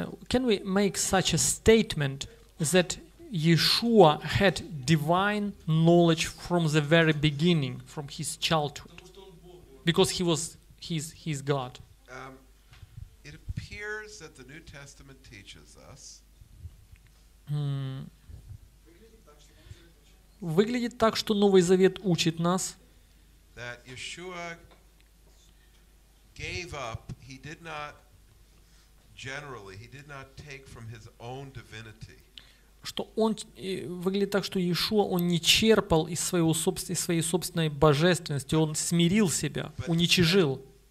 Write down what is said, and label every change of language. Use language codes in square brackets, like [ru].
[en] Can we make such a statement that Yeshua had divine knowledge from the very beginning, from his childhood? Because he's God. It appears that the New Testament teaches us. [ru] Выглядит так, что Новый Завет учит нас. [en] That Yeshua gave up. He did not generally. He did not take from his own divinity. [ru] Что он выглядит так, что Иешуа он не черпал из своего собственной, своей собственной божественности, он смирил себя, уничижил.